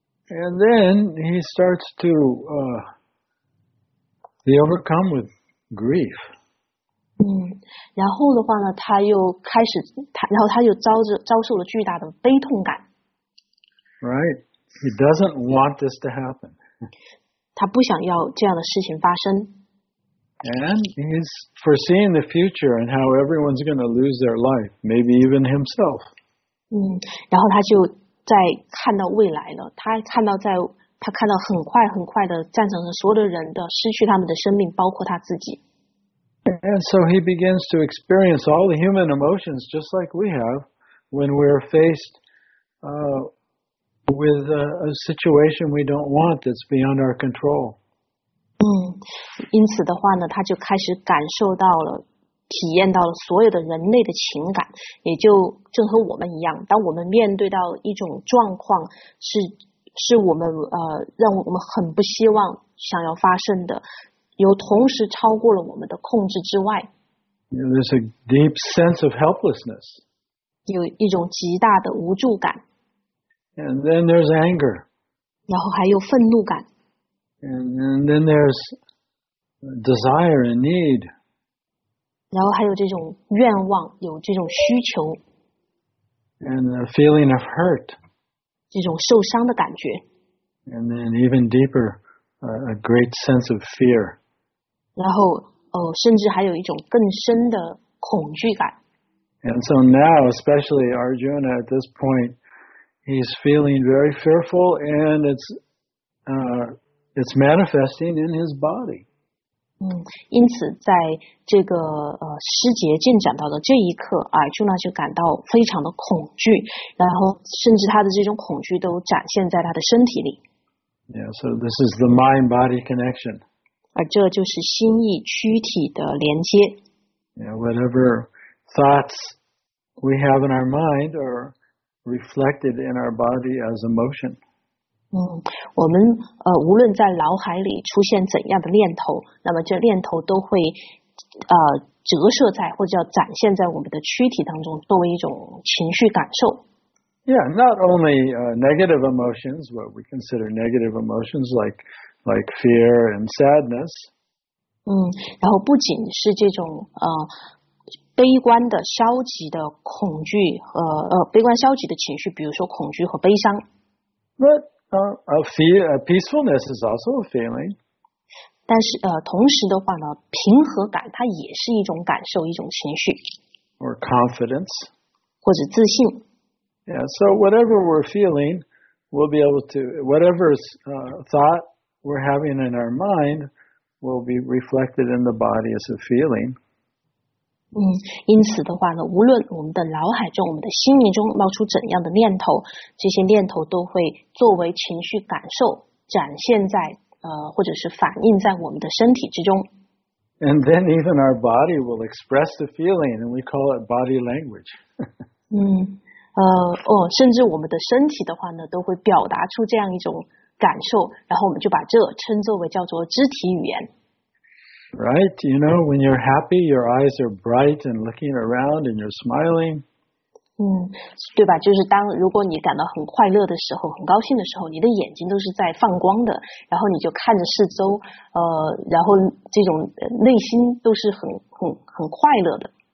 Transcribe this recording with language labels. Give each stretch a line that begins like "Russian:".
English: And then he starts to be overcome with grief.
Chinese: 嗯，然后的话呢，他又开始他，然后他又遭受了巨大的悲痛感。
English: Right, he doesn't want this to happen.
Chinese: 他不想要这样的事情发生。
English: And he's foreseeing the future and how everyone's going to lose their life, maybe even himself.
Chinese: 嗯，然后他就在看到未来了，他看到很快的战场上所有的人的失去他们的生命，包括他自己。
English: And so he begins to experience all the human emotions just like we have when we're faced with a situation we don't want that's beyond our control.
Chinese: 嗯，因此的话呢，他就开始感受到了体验到了所有的人类的情感，也就正和我们一样，当我们面对到一种状况是我们让我们很不希望想要发生的，有同时超过了我们的控制之外。
English: There's a deep sense of helplessness.
Chinese: 有一种极大的无助感。
English: And then there's anger.
Chinese: 然后还有愤怒感。
English: And then there's desire and need.
Chinese: 然后还有这种愿望，有这种需求
English: ，and a feeling of hurt，
Chinese: 这种受伤的感觉
English: ，and then even deeper， a great sense of fear，
Chinese: 然后甚至还有一种更深的恐惧感
English: ，and so now especially Arjuna at this point， he's feeling very fearful and it's manifesting in his body。
Chinese: 嗯，因此在这个师节进展到的这一刻，Arjuna就感到非常的恐惧，然后甚至他的这种恐惧都展现在他的身体里。
English: Yeah, so this is the mind-body connection.
Chinese: 而这就是心意躯体的连接。
English: Yeah, whatever thoughts we have in our mind are reflected in our body as emotion.
Chinese: 嗯，我们无论在脑海里出现怎样的念头，那么这念头都会折射在或者叫展现在我们的躯体当中，作为一种情绪感受。
English: Yeah, not only negative emotions, what we consider negative emotions like fear and sadness.
Chinese: 嗯，然后不仅是这种悲观的、消极的恐惧和悲观消极的情绪，比如说恐惧和悲伤。
English: A peacefulness is also a feeling.
Chinese: 但是同时的话呢，平和感它也是一种感受，一种情绪。
English: Or confidence.
Chinese: 或者自信。
English: Yeah. So whatever we're feeling, we'll be able to. Whatever thought we're having in our mind will be reflected in the body as a feeling.
Chinese: 嗯，因此的话呢，无论我们的脑海中、我们的心灵中冒出怎样的念头，这些念头都会作为情绪感受展现在或者是反映在我们的身体之中。
English: And then even our body will express the feeling, and we call it body language.
Chinese: 甚至我们的身体的话呢，都会表达出这样一种感受，然后我们就把这称作为叫做肢体语言。
English: Right, you know, when you're happy, your eyes are bright and looking around and you're smiling.
Chinese: 嗯，对吧？就是当如果你感到很快乐的时候，很高兴的时候，你的眼睛都是在放光的，然后你就看着四周，然后这种内心都是很快乐的。